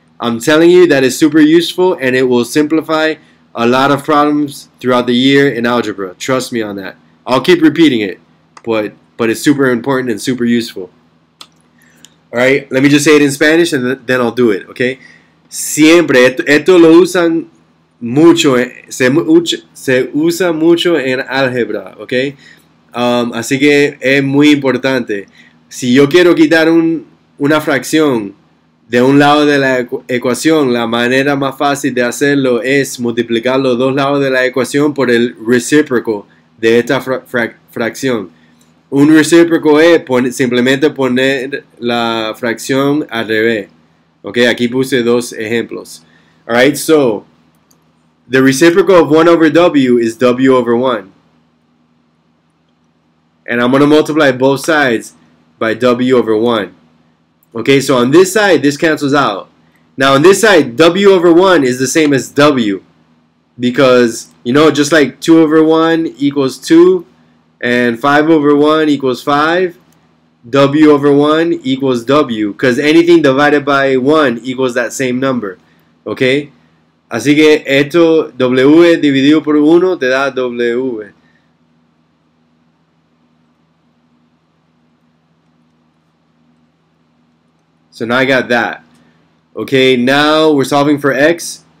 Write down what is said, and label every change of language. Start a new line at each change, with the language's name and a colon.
English: I'm telling you, that is super useful, and it will simplify a lot of problems throughout the year in algebra. Trust me on that. I'll keep repeating it, but it's super important and super useful. All right, let me just say it in Spanish, and then I'll do it, okay?
Spanish: Siempre, esto lo usan mucho, se usa mucho en álgebra, okay? Así que es muy importante. Si yo quiero quitar una fracción de un lado de la ecuación, la manera más fácil de hacerlo es multiplicar los dos lados de la ecuación por el recíproco de esta fracción. Un recíproco es simplemente poner la fracción al revés. Okay, aquí puse dos ejemplos.
English: Alright, so the reciprocal of 1 over w is w over 1. And I'm going to multiply both sides by w over 1. Okay, so on this side, this cancels out. Now on this side, w over 1 is the same as w. Because, you know, just like 2 over 1 equals 2, and 5 over 1 equals 5, w over 1 equals w. Because anything divided by 1 equals that same number. Okay?
Spanish: Así que esto, w dividido por 1, te da w.
English: So now I got that. Okay, now we're solving for x.